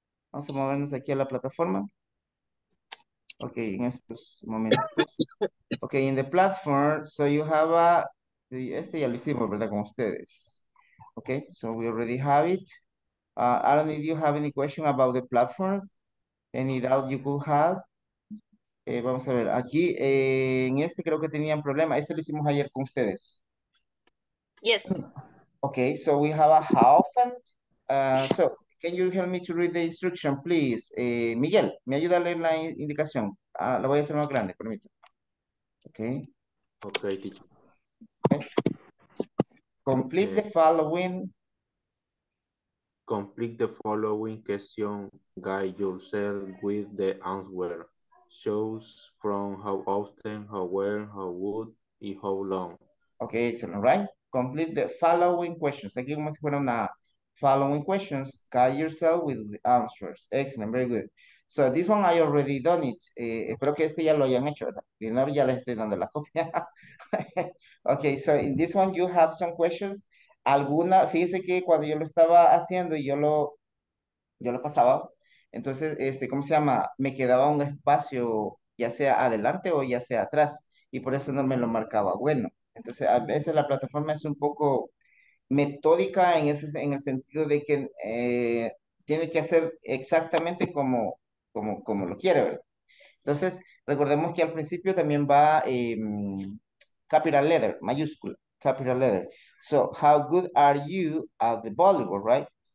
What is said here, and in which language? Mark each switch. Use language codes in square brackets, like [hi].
[es] Vamos a movernos aquí a la plataforma. Ok, en estos momentos. Ok, en [en] the platform, so you have a... [es] Este ya lo hicimos, ¿verdad? Con ustedes. [en] Ok, so we already have it. Aaron, did you have any question about the platform? Any doubt you could have? [es] Vamos a ver, aquí en este creo que tenían problema. Este lo hicimos ayer con ustedes. [en] Yes. Ok, so we have a how often. So, can you help me to read the instruction, please? [es] Miguel, ¿me ayuda a leer la indicación? La voy a hacer más grande, permítame. Ok. [en] Ok, teacher. Complete the following. Complete the following question. Guide yourself with the answer. Shows from how often, how well, how would, y how long. Ok, excellent, right? Complete the following questions. [es] Aquí como si fuera una [en] following questions. Guide yourself with the answers. Excellent, very good. So this one I already done it. [es] Espero que este ya lo hayan hecho, ¿verdad? Si no, ya les estoy dando la copia. [en] Ok, so in this one you have some questions. [es] Alguna, fíjense que cuando yo lo estaba haciendo y yo lo pasaba, entonces, ¿cómo se llama? Me quedaba un espacio, ya sea adelante o ya sea atrás, y por eso no me lo marcaba. Bueno, entonces, a veces la plataforma es un poco metódica en el sentido de que tiene que hacer exactamente como lo quiere, ¿verdad? Entonces, recordemos que al principio también va capital letter, mayúscula, capital letter. [en] So, how good are you at the volleyball, right?